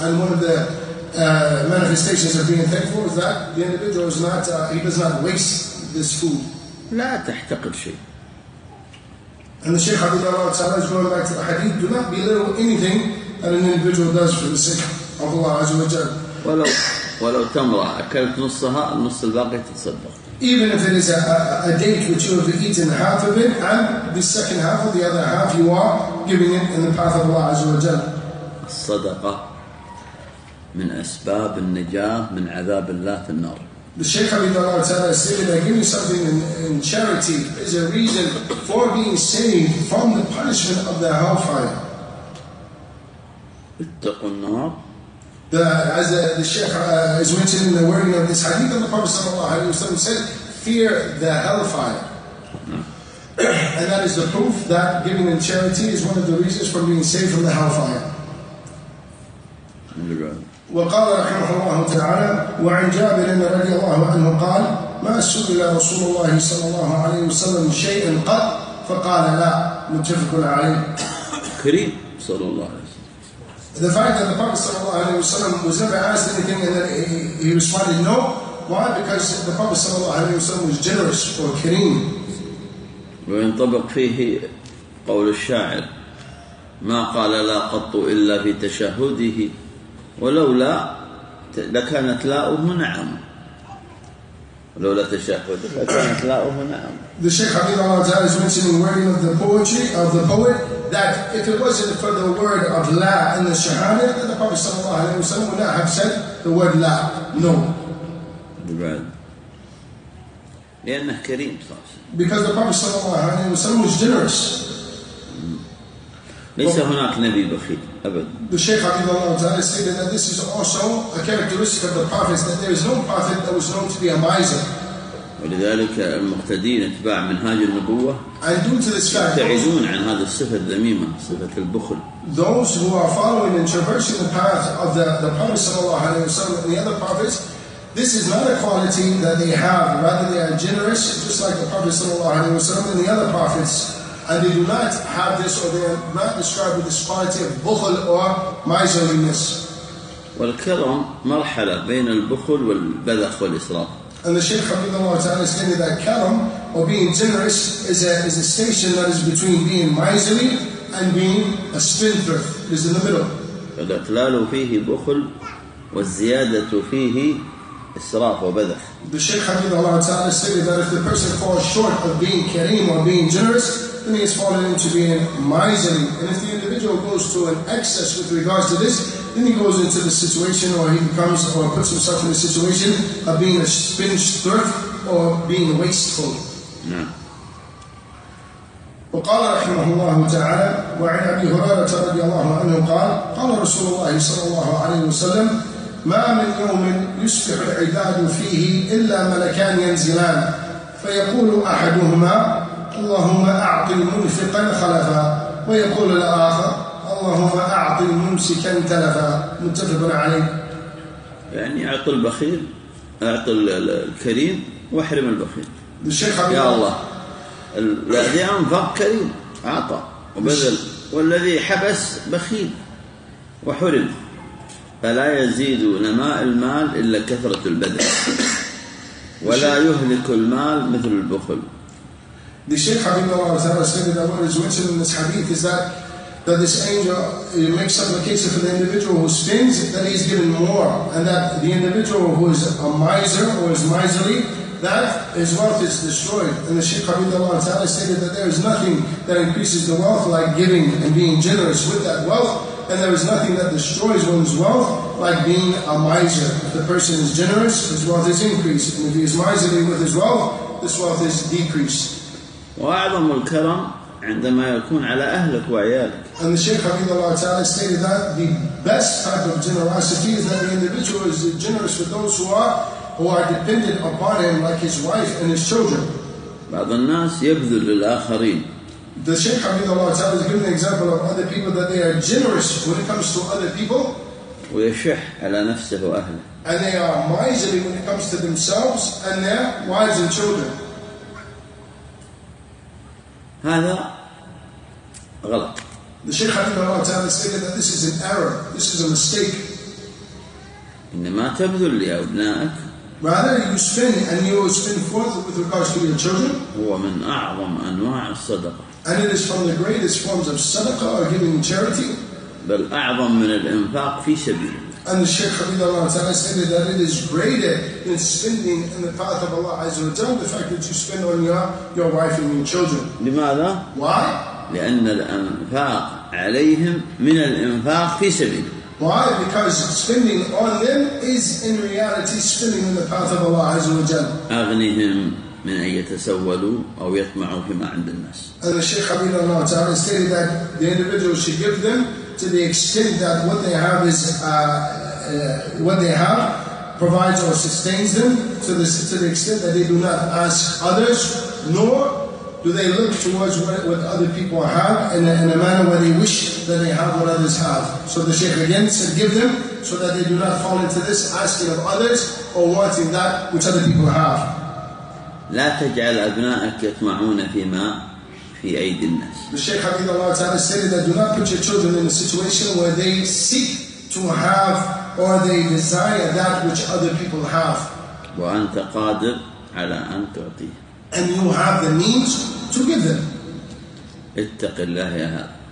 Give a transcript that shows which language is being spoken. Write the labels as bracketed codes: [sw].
[en] And one of the manifestations of being thankful is that the individual is not, he does not waste this food. [ar] لا تحتقر شيء. [en] And the Sheikh Habib al-Tala is going back to the hadith, do not belittle anything that an individual does for the sake of Allah Azza wa Jal. [ar] ولو تمرة أكلت نصها النص الباقي تتصدق. [en] Even if it is a date which you have eaten half of it and the second half or the other half you are giving it in the path of Allah Azza wa Jal. [ar] الصدقة من أسباب النجاة من عذاب الله في النار. [en] The Shaykh Habib al-Tala said that giving something in charity is a reason for being saved from the punishment of the hellfire. [ar] اتقوا النار. [en] As the Shaykh is mentioned in the wording of this hadith of the Prophet sallallahu alayhi wa sallam said, fear the hellfire. And that is the proof that giving in charity is one of the reasons for being saved from the hellfire. [ar] وقال رحمه الله تعالى وعن جابر رضي الله عنه قال ما سئل رسول الله صلى الله عليه وسلم شيئا قط فقال لا متفق عليه كريم صلى الله عليه وسلم [en] The fact that the Prophet [ar] صلى الله عليه وسلم [en] was never asked anything and that he responded no. Why? Because the Prophet [ar] صلى الله عليه وسلم [en] was generous or كريم [ar] وينطبق فيه قول الشاعر ما قال لا قط إلا في تشهده ولولا لكانت لاؤه نعم ولولا تشهد لكانت لاؤه نعم [en] The Sheikh Habib al-Tala is mentioning wording of the poetry of the poet that if it wasn't for the word of la in the shahada then the Prophet sallallahu alayhi wa sallam would not have said the word la no [ar] لأنه كريم صلى الله عليه وسلم [en] Because the Prophet sallallahu alayhi wa sallam was generous [ar] ليس هناك نبي بخيل أبدا. [en] The Sheikh Habib al-Tala stated that this is also a characteristic of the prophets that there is no prophet that was known to be a miser. [ar] ولذلك المقتدين اتباع منهاج النبوة. [en] And due to this fact, [ar] يبتعدون عن هذا الصفة الذميمة صفة البخل. [en] Those who are following and traversing the path of the Prophet [ar] صلى الله عليه وسلم [en] and the other prophets, this is not a quality that they have. Rather, they are generous, just like the Prophet [ar] صلى الله عليه وسلم [en] and the other prophets. And they do not have this, or they are not described with this quality of bukhul or miserliness. [ar] والكرم مرحلة بين البخل والبذخ والإسراف. [en] And the Shaykh Habib al-Tala stated that karam, or being generous, is a station that is between being miserly and being a spendthrift. It is in the middle. [ar] فالإقلال فيه بخل والزيادة فيه إسراف وبذخ. [en] The Shaykh Habib al-Tala stated that if the person falls short of being kareem or being generous, and he has fallen into being miserly. And if the individual goes to an excess with regards to this, then he goes into the situation or he becomes or puts himself in a situation of being a spendthrift or being wasteful. [ar] وقال رحمه الله تعالى: وعن أبي هريرة رضي الله عنه قال: قال رسول الله صلى الله عليه وسلم: ما من يوم يسبح العباد فيه إلا ملكان ينزلان، فيقول أحدهما: اللهم أعط المنفقا خلفا، ويقول الآخر: اللهم أعط الممسكا تلفا. متفق عليه. يعني أعط البخيل، أعط الكريم واحرم البخيل. الشيخ يا الله، الذي أنفق كريم أعطى وبذل، والذي حبس بخيل وحرم. فلا يزيد نماء المال إلا كثرة البذل، ولا يهلك المال مثل البخل. [en] The Sheikh Habibullah Ta'ala said that what is written in this hadith is that this angel makes supplication for the individual who spends, that he is given more, and that the individual who is a miser or is miserly, that his wealth is destroyed. And the Sheikh Habibullah Ta'ala stated that there is nothing that increases the wealth like giving and being generous with that wealth, and there is nothing that destroys one's wealth like being a miser. If the person is generous, his wealth is increased, and if he is miserly with his wealth, this wealth is decreased. [ar] وأعظم الكرم عندما يكون على أهلك وعيالك. [en] And the Sheikh Habibullah Ta'ala stated that the best type of generosity is that the individual is generous with those who are dependent upon him, like his wife and his children. [ar] بعض الناس يبذل للآخرين. [en] The Sheikh Habibullah Ta'ala has given an example of other people that they are generous when it comes to other people. [ar] ويشح على نفسه وأهله. [en] And they are miserly when it comes to themselves and their wives and children. [ar] هذا غلط. [en] The Sheikh Habibullah Ta'ala stated that this is an error. This is a mistake. [ar] إنما تبذل لأبنائك. [en] Rather, you spend and you spend forth with regards to your children. [ar] هو من أعظم أنواع الصدقة. [en] And it is from the greatest forms of sadaqah or giving charity. [ar] بل أعظم من الإنفاق في سبيل. [en] And the Sheikh Habibullah Ta'ala stated that it is greater than spending in the path of Allah Azza wa Jalla, the fact that you spend on your wife and your children. [ar] لماذا؟ [en] Why? [ar] لأن الأنفاق عليهم من الإنفاق في سبيل. [en] Why? Because spending on them is in reality spending in the path of Allah Azza wa Jalla. [ar] أغنهم من أن يتسولوا أو يطمعوا فيما عند الناس. [en] And the Sheikh Habibullah Ta'ala stated that the individual should give them to the extent that what they have is what they have provides or sustains them, to the extent that they do not ask others, nor do they look towards what other people have in a manner where they wish that they have what others have. So the Shaykh again said, give them so that they do not fall into this asking of others or wanting that which other people have. [ar] لا تجعل أبنائك يطمعون فيما في أيدي الناس. [en] The Shaykh Habibullah Ta'ala stated that do not put your children in a situation where they seek to have or they desire that which other people have. [ar] وأنت قادر على أن تعطيه. [en] And you have the means to give them. [ar] اتق الله يا هذا.